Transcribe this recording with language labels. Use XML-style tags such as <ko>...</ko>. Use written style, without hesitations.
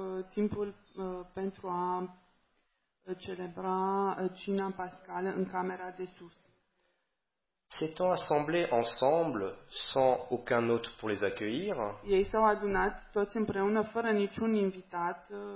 <ro>Timpul pentru a celebra cina pascală în camera de sus.</ro> <fr>S'étant assemblés ensemble sans aucun hôte pour les accueillir.</fr> <ro>Ei s-au adunat toți împreună fără niciun invitat.</ro>